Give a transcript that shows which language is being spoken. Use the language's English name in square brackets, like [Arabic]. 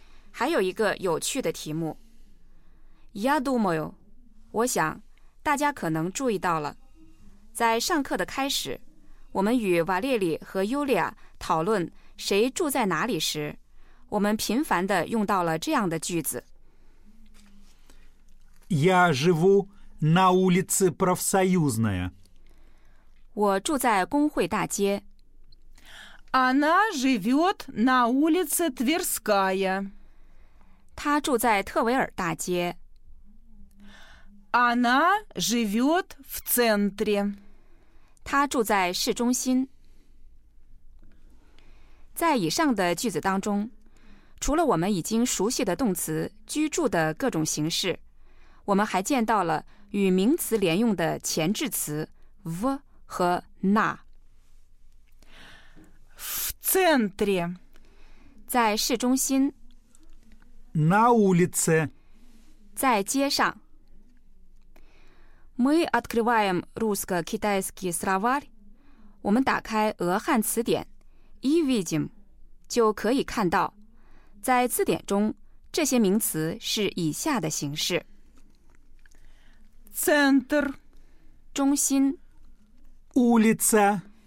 [Chinese] 还有一个有趣的题目。 [Russian] Я думаю, [Chinese] 我想大家可能注意到了。在上课的开始我们与瓦列里和尤利亚讨论谁住在哪里时我们频繁地用到了这样的句子。 [Russian] Я живу на улице Профсоюзная. [Chinese] 我住在工会大街。 [Russian] Она живет на улице Тверская. [Chinese] 她住在特维尔大街。 [Russian] Она живет в центре. [Chinese] 她住在市中心。在以上的句子当中， 除了我们已经熟悉的动词居住的各种形式， 我们还见到了与名词连用的前置词 в 和那。 [Russian] В центре. [Chinese] 在市中心。 [Russian] На улице. [Chinese] 在街上。 [Russian] Мы открываем русско-китайский словарь. [Chinese] 我们打开俄汉词典 [Russian] и видим. [Chinese] 就可以看到， 在字典中，这些名词是以下的形式： [Russian] центр, [Chinese] 中心； [Russian] улица,